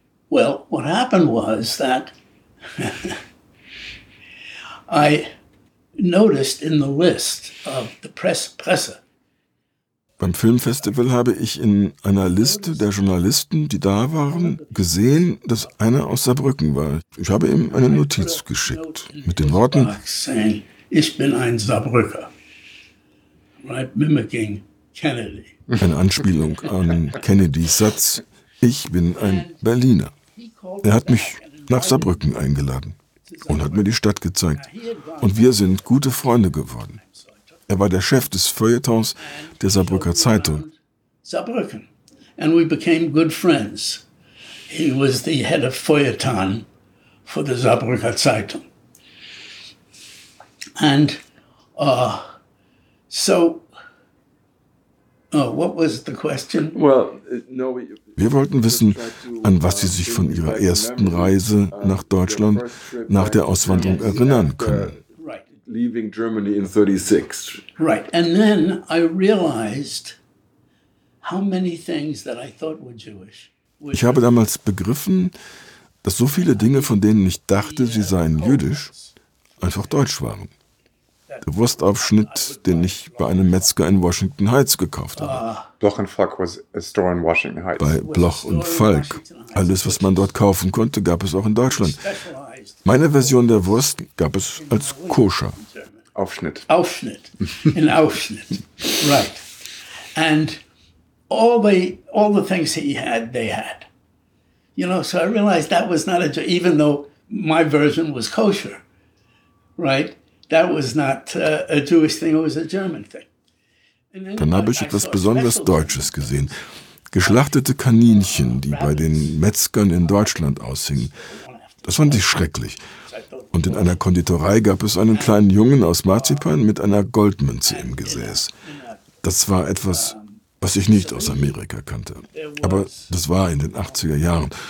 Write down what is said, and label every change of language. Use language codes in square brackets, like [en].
[en] Well, what happened was that I noticed in the list of the Presse. [de] Beim Filmfestival habe ich in einer Liste der Journalisten, die da waren, gesehen, dass einer aus Saarbrücken war. Ich habe ihm eine Notiz geschickt mit den Worten: Ich bin ein Saarbrücker. [en] Right, mimicking Kennedy. [de] Eine Anspielung an Kennedys Satz: Ich bin ein Berliner. Er hat mich nach Saarbrücken eingeladen und hat mir die Stadt gezeigt. Und wir sind gute Freunde geworden. Er war der Chef des Feuilletons der Saarbrücker Zeitung. [en] Saarbrücken. And we became good friends. He was the head of Feuilleton for the Saarbrücker Zeitung. And what was the question? Well, no, [de] wir wollten wissen, an was Sie sich von Ihrer ersten Reise nach Deutschland nach der Auswanderung erinnern können. [en] Leaving Germany in 36. Right. And then I realized how many things that I thought were Jewish. [de] Ich habe damals begriffen, dass so viele Dinge, von denen ich dachte, sie seien jüdisch, einfach deutsch waren. Der Wurstaufschnitt, den ich bei einem Metzger in Washington Heights gekauft habe. [en] Bloch and Falk was a store in Washington Heights. [de] Bei Bloch und Falk. Alles, was man dort kaufen konnte, gab es auch in Deutschland. Meine Version der Wurst gab es als koscher. Aufschnitt. Aufschnitt. In Aufschnitt. [en] Right. And all the things he had, they had. You know, so I realized that was not a joke, even though my version was kosher. Right? That was not a Jewish thing, it was a German thing. [de] Dann habe ich etwas besonders Deutsches gesehen. Geschlachtete Kaninchen, die bei den Metzgern in Deutschland aushingen. Das fand ich schrecklich. Und in einer Konditorei gab es einen kleinen Jungen aus Marzipan mit einer Goldmünze im Gesäß. Das war etwas, was ich nicht aus Amerika kannte. Aber das war in den 80er Jahren.